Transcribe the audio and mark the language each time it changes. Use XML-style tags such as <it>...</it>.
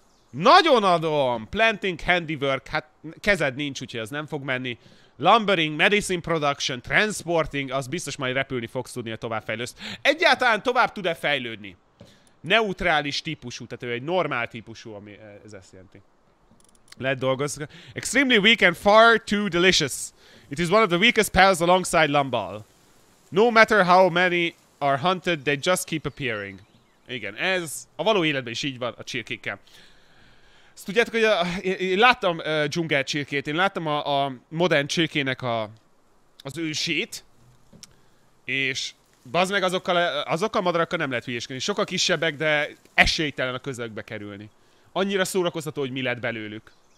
<hu>Nagyon adom! Planting, handiwork, hát kezed nincs, úgyhogy az nem fog menni. Lumbering, medicine production, transporting, az biztos majd repülni fogsz tudni, ha továbbfejlőszt. Egyáltalán tovább tud-e fejlődni? Neutrális típusú, tehát ő egy normál típusú, ami ez ezt jelenti. Lehet dolgozni.</hu> <en>Extremely weak and far too delicious. It is one of the weakest pals alongside Lumball. No matter how many are hunted, they just keep appearing.</en> <hu>Igen, ez a való életben is így van a csirkékkel. Ezt tudjátok, hogy én láttam dzsungelcsirkét, én láttam a modern csirkének az ősét, és bazd meg azokkal a madarakkal nem lehet hülyéskedni. Sokkal kisebbek, de esélytelen a közelükbe kerülni. Annyira szórakoztató, hogy mi lett belőlük.</hu>